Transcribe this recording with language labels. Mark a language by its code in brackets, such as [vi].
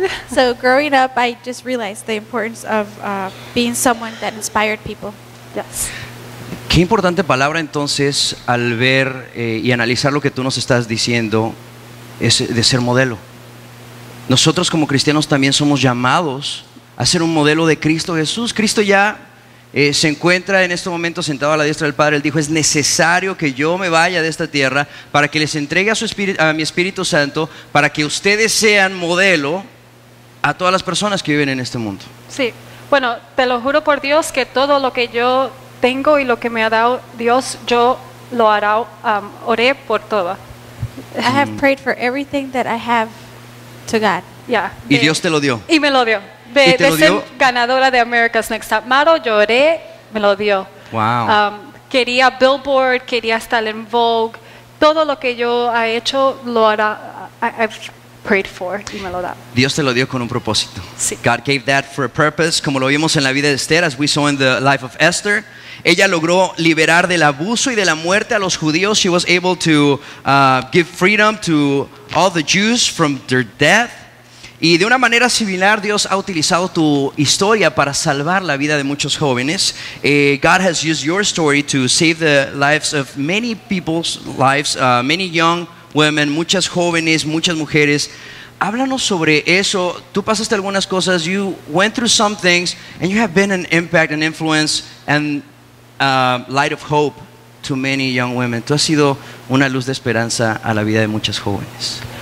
[en] So growing up, I just realized the importance of being someone that inspired people. Yes. [es] Qué importante palabra entonces al ver y analizar lo que tú nos estás diciendo es de ser modelo. Nosotros como cristianos también somos llamados a ser un modelo de Cristo Jesús. Cristo ya se encuentra en este momento sentado a la diestra del Padre. Él dijo, es necesario que yo me vaya de esta tierra para que les entregue a mi Espíritu Santo, para que ustedes sean modelo a todas las personas que viven en este mundo. Sí, bueno, te lo juro por Dios que todo lo que yo tengo y lo que me ha dado Dios, yo lo hará, oré por todo. [en] I have prayed for everything that I have to God. Yeah. [es] Y Dios te lo dio. Y me lo dio. De ser ganadora de America's Next Top Model, lloré, me lo dio. [en] Wow. [es] Quería billboard, quería estar en Vogue. Todo lo que yo he hecho, lo hará, [en] I've prayed for, [es] y me lo da. Dios te lo dio con un propósito. Sí. [en] God gave that for a purpose, [es] como lo vimos en la vida de Esther, [en] as we saw in the life of Esther. [es] Ella logró liberar del abuso y de la muerte a los judíos. [en] She was able to give freedom to all the Jews from their death. [es] Y de una manera similar, Dios ha utilizado tu historia para salvar la vida de muchos jóvenes. [en] God has used your story to save the lives of many people's lives, many young women, [es] muchas jóvenes, muchas mujeres. Háblanos sobre eso. Tú pasaste algunas cosas, [en] you went through some things, and you have been an impact, an influence, and light of hope to many young women. [es] Tú has sido una luz de esperanza a la vida de muchas jóvenes.